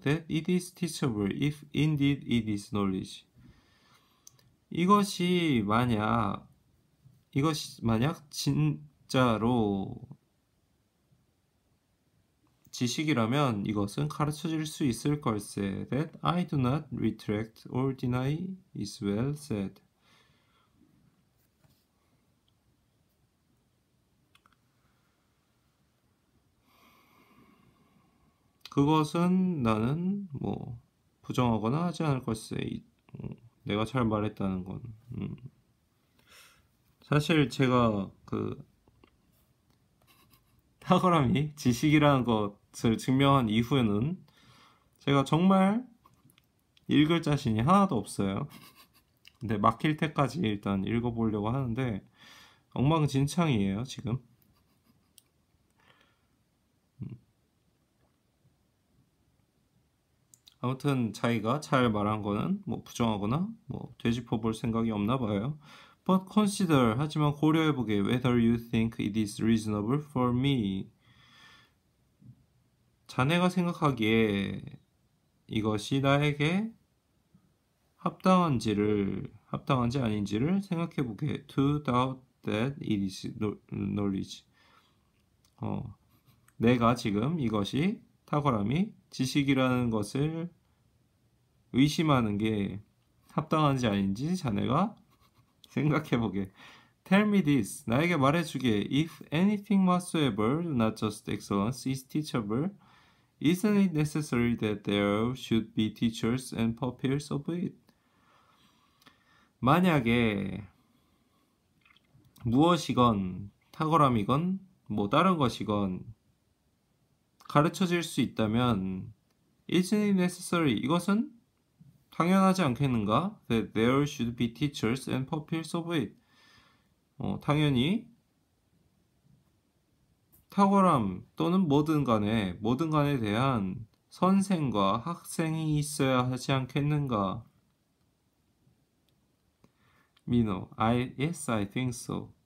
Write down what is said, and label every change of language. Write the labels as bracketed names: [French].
[English] That it is teachable if indeed it is knowledge. [Korean] 이것이 만약 진짜로 지식이라면 이것은 가르쳐질 수 있을 걸세. [English] That I do not retract or deny is well said. [Korean] 그것은 나는 뭐 부정하거나 하지 않을 걸세. 내가 잘 말했다는 건. 사실 제가 그 탁월함이 지식이라는 것 증명한 이후에는 제가 정말 읽을 자신이 하나도 없어요. 근데 막힐 때까지 일단 읽어보려고 하는데 엉망진창이에요, 지금. 아무튼 자기가 잘 말한 거는 뭐 부정하거나 뭐 되짚어볼 생각이 없나 봐요. [English] But consider, [Korean] 하지만 고려해보게, [English] whether you think it is reasonable for me. [Korean] 자네가 생각하기에 이것이 나에게 합당한지 아닌지를 생각해보게. [English] To doubt that it is knowledge. [Korean] 내가 지금 이것이 탁월함이 지식이라는 것을 의심하는 게 합당한지 아닌지 자네가 생각해보게. [English] Tell me this. [Korean] 나에게 말해주게. [English] If anything whatsoever, not just excellence, is teachable, Isn't it necessary that there should be teachers and pupils of it? [Korean] 만약에 무엇이건 탁월함이건 뭐 다른 것이건 가르쳐질 수 있다면 [English] Isn't it necessary? [Korean] 이것은 당연하지 않겠는가? [English] That there should be teachers and pupils of it. [Korean] 당연히 탁월함 또는 뭐든 간에 대한 선생과 학생이 있어야 하지 않겠는가? [English] 민호, yes, I think so.